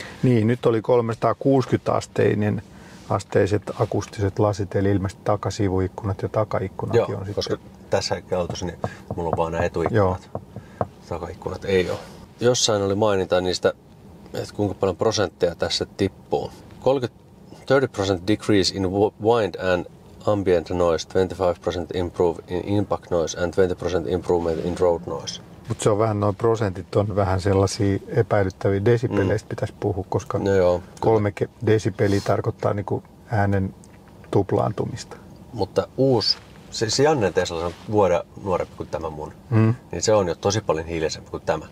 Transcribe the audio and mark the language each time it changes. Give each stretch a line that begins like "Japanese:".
Finnish: Niin, nyt oli 360-asteiset akustiset lasit, eli ilmeisesti takasivuikkunat ja takaikkunat. Joo, on koska sitten... tässä autossa niin mulla on vaan nämä etuikkunat. Takaikkunat ei ole. Jossain oli maininta niistä... Et kuinka paljon prosenttia tässä tippuu.
English: 30% decrease in wind and ambient noise, 25% improve in impact noise and 20% improvement in road noise.
Finnish: Mutta se on vähän, noin prosentit on vähän sellaisia epäilyttäviä desibeleistä pitäisi puhua, koska no joo, kolme desibeliä tarkoittaa niinku äänen tuplaantumista. Mutta uusi, siis Janne Tesla on vuoden nuorempi kuin tämä mun, niin se on jo tosi paljon hiljaisempi kuin tämä.